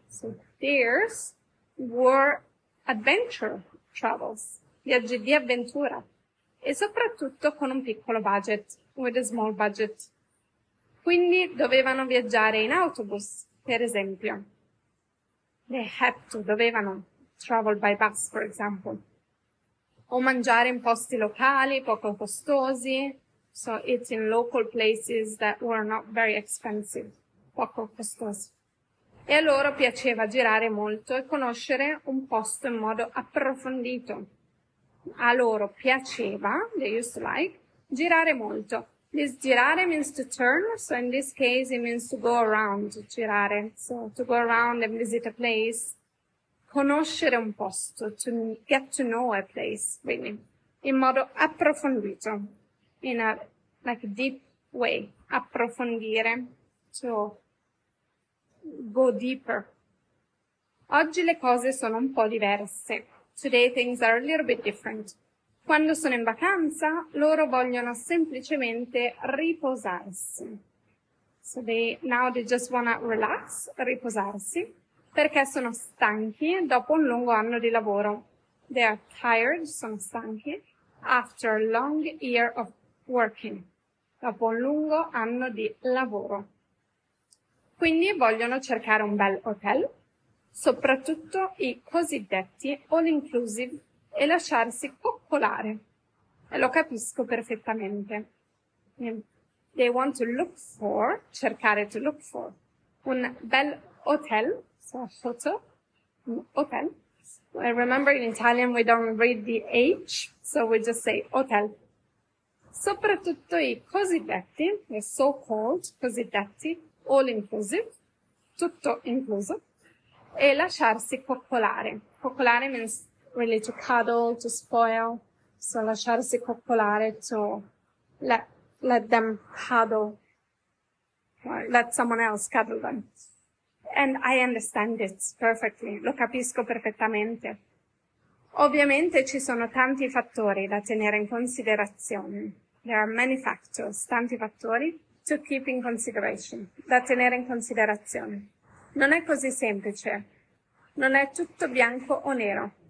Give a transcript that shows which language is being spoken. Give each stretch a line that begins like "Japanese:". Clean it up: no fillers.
English: So theirs were adventure travels,
Italian: viaggi di avventura, e soprattutto con un piccolo budget,
English: with a small budget.
Italian: Quindi dovevano viaggiare in autobus, per esempio.
English: They had to, dovevano travel by bus, for example.
Italian: O mangiare in posti locali poco costosi,
English: so eat in local places that were not very expensive,
Italian: poco costosi. E a loro piaceva girare molto e conoscere un posto in modo approfondito. A loro piaceva,
English: they used to like,
Italian: girare molto.
English: This girare means to turn, so in this case it means to go around, girare, so to go around and visit a place.
Italian: Conoscere un posto,
English: to get to know a place,
Italian: quindi, in modo approfondito,
English: in a like deep way, approfondire, so go deeper.
Italian: Oggi le cose sono un po' diverse.
English: Today things are a little bit different.
Italian: Quando sono in vacanza, loro vogliono semplicemente riposarsi.
English: So now they just wanna relax,
Italian: riposarsi, perché sono stanchi dopo un lungo anno di lavoro.
English: They are tired,
Italian: sono stanchi,
English: after a long year of working,
Italian: dopo un lungo anno di lavoro. Quindi vogliono cercare un bel hotel, soprattutto i cosiddetti all inclusive, e lasciarsi coccolare. E lo capisco perfettamente.
English: They want to look for, cercare to look for,
Italian: un bel hotel,
English: so a photo,
Italian: un hotel.
English: Remember in Italian we don't read the H, so we just say hotel.
Italian: Soprattutto i cosiddetti,
English: the so-called
Italian: cosiddetti, all inclusive, tutto incluso, e lasciarsi coccolare.
English: Coccolare means really to cuddle, to spoil, so
Italian: lasciarsi coccolare,
English: to let them cuddle, or let someone else cuddle them. And I understand it perfectly,
Italian: lo capisco perfettamente. Ovviamente ci sono tanti fattori da tenere in considerazione.
English: There are many factors,
Italian: tanti fattori
English: to keep in consideration,
Italian: da tenere in considerazione. Non è così semplice. Non è tutto bianco o nero.